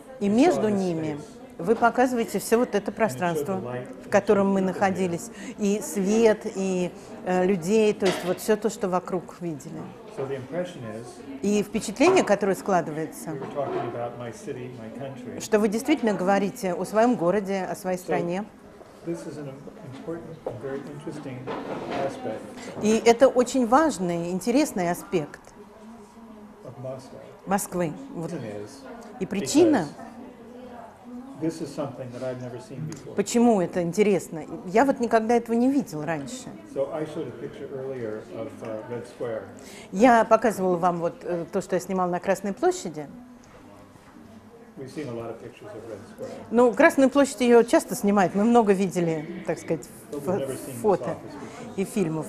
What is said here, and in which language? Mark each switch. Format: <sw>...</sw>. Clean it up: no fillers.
<ru>И между ними вы показываете все вот это пространство, в котором мы находились, и свет, и людей, то есть вот все то, что вокруг видели.</ru> <en>So the impression is.</en> <ru>И впечатление, которое складывается.</ru> <en>You were talking about my city, my country.</en> <ru>Что вы действительно говорите о своем городе, о своей стране.</ru> <en>This is an important and very interesting aspect.</en> <ru>И это очень важный, интересный аспект</ru> <en>of Moscow.</en> <ru>Москвы. Вот.</ru> <en>Is,</en> <ru>и причина,</ru> <en>this is something that I've never seen before.</en> <ru>Почему это интересно. Я вот никогда этого не видел раньше.</ru> <en>So I showed a picture earlier of, Red Square.</en> <ru>Я показывал вам вот то, что я снимал на Красной площади.</ru> <en>We've seen a lot of pictures of Red Square.</en> <ru>Ну, Красную площадь ее часто снимают. Мы много видели, так сказать, фото и фильмов.</ru>